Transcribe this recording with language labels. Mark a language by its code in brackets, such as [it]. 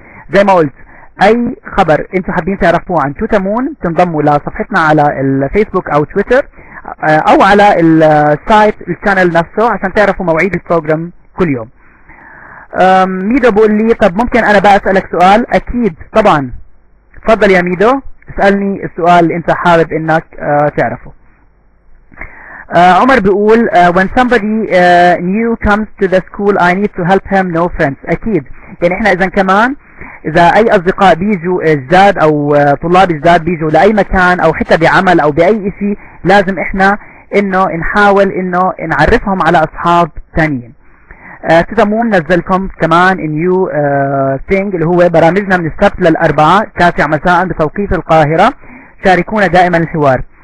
[ar] زي ما قلت أي خبر أنتوا حابين تعرفوه عن توتامون تنضموا لصفحتنا على الفيسبوك أو تويتر أو على السايت الشانل نفسه عشان تعرفوا مواعيد البروجرام كل يوم. ميدو بقول لي طب ممكن أنا بقى أسألك سؤال؟ أكيد طبعا تفضل يا ميدو اسألني السؤال اللي أنت حابب أنك تعرفه. [en] عمر [ar] بيقول [en] when somebody new comes to the school I need to help him no friends. [ar] أكيد يعني إحنا إذا كمان إذا أي أصدقاء بيجوا جداد أو طلاب جداد بيجوا لأي مكان أو حتى بعمل أو بأي إشي لازم إحنا إنه نحاول إنه نعرفهم على أصحاب تانيين. تتمون نزلكم كمان [en] a new thing [ar] اللي هو برامجنا من السبت للأربعاء 9 مساء بتوقيت القاهرة شاركونا دائما الحوار.